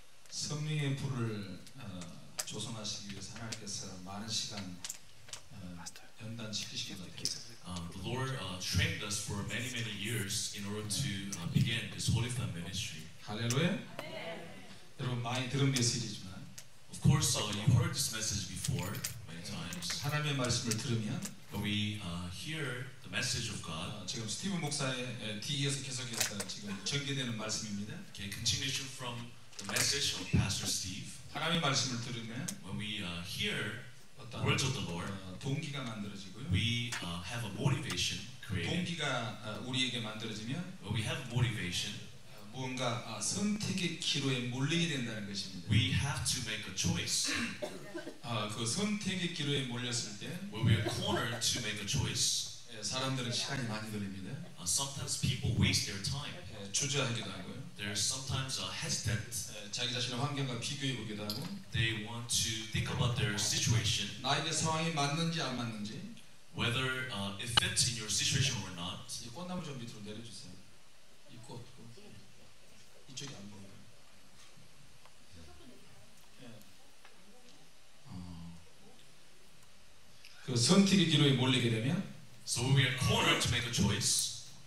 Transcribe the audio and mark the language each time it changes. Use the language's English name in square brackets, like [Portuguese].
[Korean] 성령의 불을 조성하시기 위해서 하나님께서 많은 시간 연단 시키신 것 같아요. [English] The Lord trained us for many many years in order to begin this holy flame ministry. [Korean] 할렐루야. 여러분 많이 들은 메시지지만, [English] of course you heard this message before many times. [Korean] 하나님의 말씀을 들으면, [English] but we hear the message of God. [Korean] 지금 스티븐 목사의 뒤에서 계속해서 지금 전개되는 말씀입니다. [English] Okay, continuation from the message of Pastor Steve. [Korean] 하나님의 말씀을 들으면, [English] when we hear words of the Lord, [Korean] 동기가 만들어지고요. [English] We have a motivation created. [Korean] 동기가 우리에게 만들어지면, [English] when we have motivation, [Korean] 뭔가 선택의 기로에 몰리게 된다는 것입니다. [English] We have to make a choice. [Korean] 그 선택의 기로에 몰렸을 때, [English] when we are cornered to make a choice, [Korean] 사람들은 시간이 많이 걸립니다. [English] Sometimes people waste their time. [Korean] 주저하기도 하고요. [English] They're sometimes hesitant. [Korean] 자기 자신의 환경과 비교해 보기도 하고. [English] They want to think about their situation. [Korean] 나에게 상황이 맞는지 안 맞는지. [English] Whether it fits in your situation or not. [Korean] 이 꽃나무 좀 밑으로 내려주세요. 이 꽃. 이쪽이 안 보여. 예. 그 선택의 기로에 몰리게 되면. [English] So when we are cornered to make a choice.